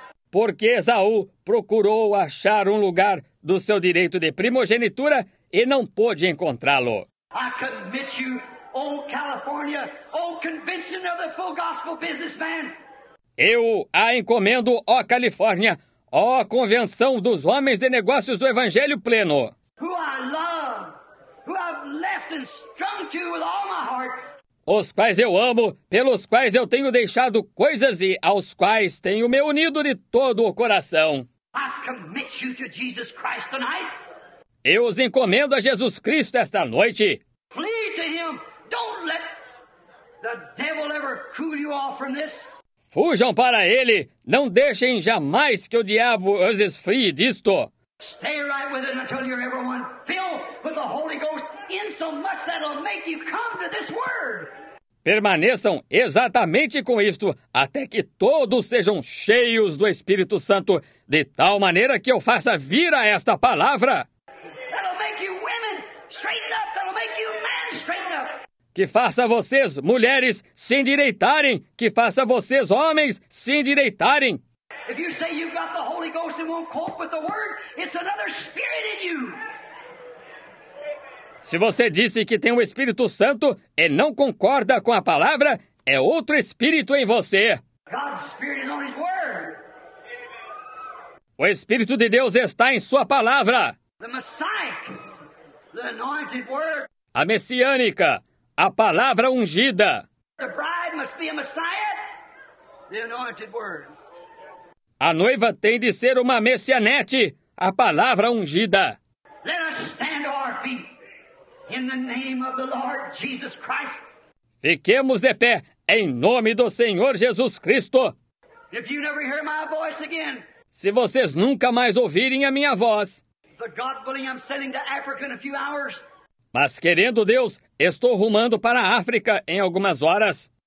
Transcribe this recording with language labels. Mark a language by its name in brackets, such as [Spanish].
[Portuguese] Porque Esaú procurou achar um lugar do seu direito de primogenitura e não pôde encontrá-lo. [English] I commit you, O California, O convention of the full gospel businessman. [Portuguese] Eu a encomendo, ó Califórnia, ó convenção dos homens de negócios do Evangelho pleno. [English] Who I love, who I've left and strung to with all my heart. [Portuguese] Os quais eu amo, pelos quais eu tenho deixado coisas e aos quais tenho me unido de todo o coração. [English] I commit you to Jesus Christ tonight. [Portuguese] Eu os encomendo a Jesus Cristo esta noite. [English] Flee to him. Don't let the devil ever cool you off from this. [Portuguese] Fujam para ele. Não deixem jamais que o diabo os esfrie disto. [English] Stay right with it until you're everyone filled with the Holy Ghost in so much that it'll make you come to this word. [Portuguese] Permaneçam exatamente com isto, até que todos sejam cheios do Espírito Santo, de tal maneira que eu faça vir a esta palavra. [English] That'll make you women straighten up. That'll make you men straighten up. [Portuguese] Que faça vocês, mulheres, se endireitarem. Que faça vocês, homens, se endireitarem. [English] If you say you've got the Holy Ghost and won't cope with the word, it's another spirit in you. [Portuguese] Se você disse que tem o Espírito Santo e não concorda com a palavra, é outro Espírito em você. [English] God's Spirit is on his word. [Portuguese] O Espírito de Deus está em sua palavra. [English] The Messiah, the anointed word. [Portuguese] A messiânica, a palavra ungida. [English] The bride must be a Messiah, the anointed word. [Portuguese] A noiva tem de ser uma messianete, a palavra ungida. [English] Let us stand on our feet. In the name of the Lord Jesus Christ. [Portuguese] Fiquemos de pé em nome do Senhor Jesus Cristo. [English] If you never hear my voice again, [Portuguese] se vocês nunca mais ouvirem a minha voz, [English] the God willing, I'm sending to Africa in a few hours. [Portuguese] Mas querendo Deus, estou rumando para a África em algumas horas.